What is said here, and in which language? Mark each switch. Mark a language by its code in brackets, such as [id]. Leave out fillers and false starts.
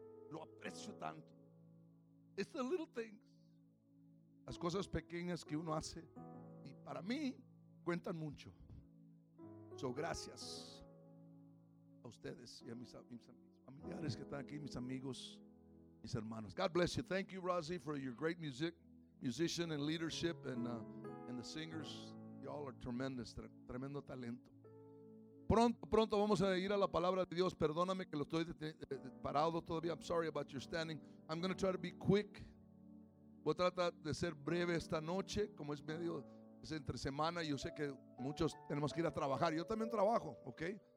[es] Lo aprecio tanto. [en] It's the little things. [es] Las cosas pequeñas que uno hace. Y para mí, cuentan mucho. So, gracias a ustedes y a mis familiares que están aquí, mis amigos, mis hermanos. [en] God bless you. Thank you, Rosy, for your great music, musician and leadership and the singers. Y'all are tremendous, [es] tremendo talento. Pronto vamos a ir a la palabra de Dios. Perdóname que lo estoy parado todavía. [en] I'm sorry about your standing. I'm going to try to be quick. [es] Voy a tratar de ser breve esta noche, como es medio, es entre semana. Yo sé que muchos tenemos que ir a trabajar. Yo también trabajo, ¿ok?